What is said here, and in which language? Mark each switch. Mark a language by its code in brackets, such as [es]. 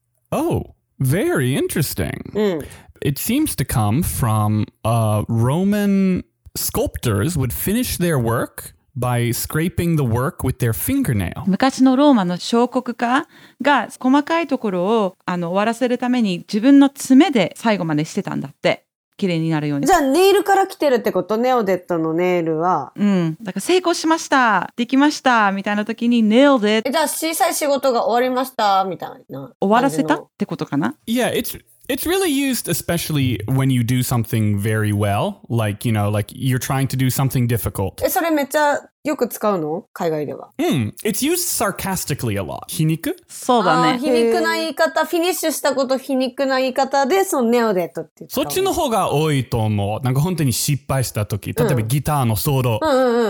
[en] Oh, very interesting. It seems to come from a Roman... Sculptors would finish their work by scraping the work with their fingernail. [ja] 昔のローマの彫刻家が細かいところを終わらせるために自分の爪で最後までしてたんだって。綺麗になるように。じゃあネイルから来てるってこと？ネオデットのネイルは。うん。だから成功しました。できました。みたいな時にネイルで。じゃあ小さい仕事が終わりました。みたいな。終わらせたってことかな？ [en] Yeah, It's really used especially when you do something very well, like, you know, like you're trying to do something difficult. [ja] え、それめっちゃよく使うの? 海外では。 [en] うん。It's used sarcastically a lot. [ja] 皮肉? そうだね。皮肉な言い方、フィニッシュしたこと皮肉な言い方で、そのネオデットって言った。そっちの方が多いと思う。なんか本当に失敗した時、例えばギターのソロ、うんうんうんうん、